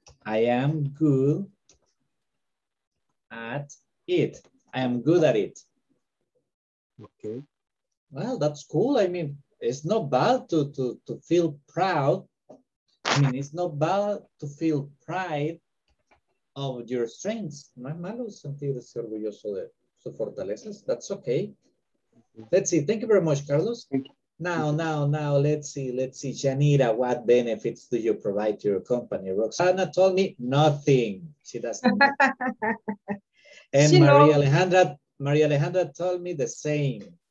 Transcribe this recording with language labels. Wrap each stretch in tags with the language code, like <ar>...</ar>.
<en>I am good at it. I am good at it. Okay. Well, that's cool. I mean, it's not bad to feel proud. I mean, it's not bad to feel pride of your strengths.</en> <es>No es malo sentirse orgulloso de sus fortalezas.</es> <en>That's okay. Let's see. Thank you very much, Carlos. Thank you. Now, let's see, Janira, what benefits do you provide to your company? Roxana told me nothing. She doesn't know. And Maria Alejandra told me the same.</en>